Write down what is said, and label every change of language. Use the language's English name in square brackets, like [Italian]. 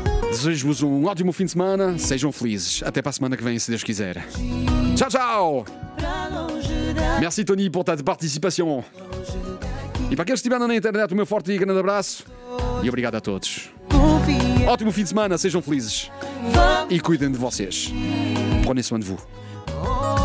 [Portuguese] Desejo-vos um ótimo fim de semana, sejam felizes. Até para a semana que vem, se Deus quiser. Tchau, tchau! [French] Merci Tony pour ta participation. [Portuguese] E para aqueles que estiveram na internet, o meu forte e grande abraço. E obrigado a todos. Ótimo fim de semana, sejam felizes. E cuidem de vocês. [French] Prenez soin de vous.